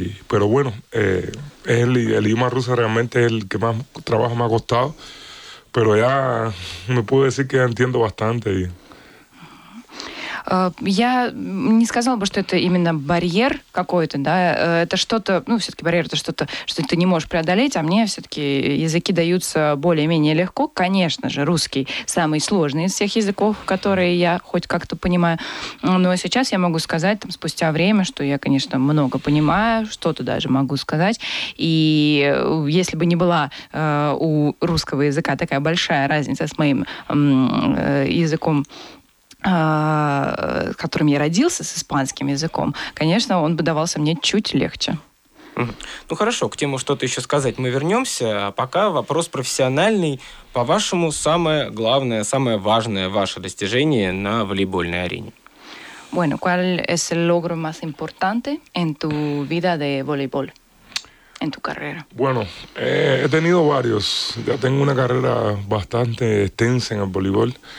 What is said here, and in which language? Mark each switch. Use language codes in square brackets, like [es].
[es] Pero bueno, el idioma ruso realmente es el que más trabajo me ha costado, pero ya me puedo decir que ya entiendo bastante. [ru] Я не сказала бы, что это именно барьер какой-то, да, это что-то, ну, все-таки барьер это что-то, что ты не можешь преодолеть, а мне все-таки языки даются более-менее легко, конечно же, русский самый сложный из всех языков, которые я хоть как-то понимаю, но сейчас я могу сказать, там, спустя время, что я, конечно, много понимаю, что-то даже могу сказать, и если бы не была у русского языка такая большая разница с моим языком, с которым я родился, с испанским языком, конечно, он бы давался мне чуть легче. Ну хорошо, к тему что-то еще сказать мы вернемся, а пока вопрос профессиональный. По-вашему, самое главное, самое важное ваше достижение на волейбольной арене? [es] Bueno, ¿cuál es el logro más importante en tu vida de voleibol? En tu carrera. Bueno, he tenido varios. Ya tengo una carrera bastante extensa en el voleibol.